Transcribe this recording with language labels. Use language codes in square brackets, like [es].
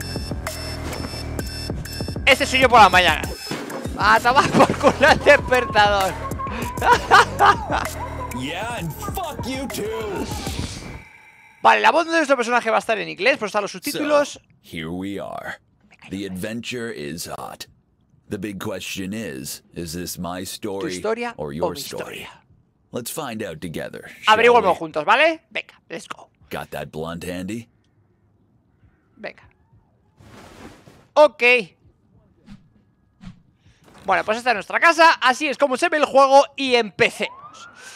[es] ¡Bah! Este soy yo por la mañana. A tomar por culo el despertador. [en] Yeah, and fuck you too. [es] Vale, la voz de nuestro personaje va a estar en inglés, pero están los subtítulos. [en] So, here we are. The adventure is hot. The big question is this my story, [es] ¿tu historia [en] or your story? Let's find out together. [es] Averiguamos juntos, ¿vale? Venga, [en] let's go. Got that blunt handy? [es] Venga. Ok. Bueno, pues esta es nuestra casa. Así es como se ve el juego y empecemos.